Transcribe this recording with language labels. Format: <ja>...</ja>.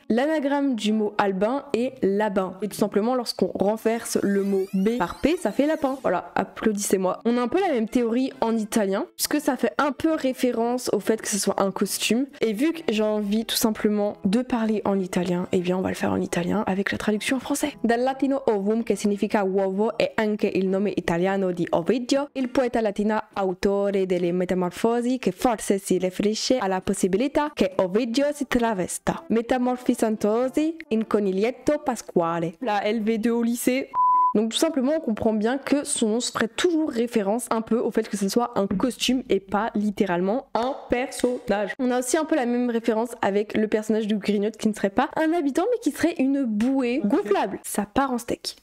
<fr>L'anagramme du mot Albin est labin. Et tout simplement, lorsqu'on renverse le mot B par P, ça fait lapin. Voilà, applaudissez-moi. On a un peu la même théorie en italien, puisque ça fait un peu référence au fait que ce soit un costume. Et vu que j'ai envie tout simplement de parler en italien, eh bien on va le faire en italien avec la traduction en français.</fr> <it>Dal latino ovum, che significa uovo, e anche il nome italiano di Ovidio, il poeta latino autore delle metamorfosi, che forse si riferisce alla possibilità che Ovidio si travesta. Metamorfosi. Santosi in coniglietto pasquale.</it> <fr>La LV2 au lycée. Donc tout simplement on comprend bien que son nom se ferait toujours référence un peu au fait que ce soit un costume et pas littéralement un personnage. On a aussi un peu la même référence avec le personnage de Grignotte qui ne serait pas un habitant mais qui serait une bouée gonflable. Ça part en steak.</fr>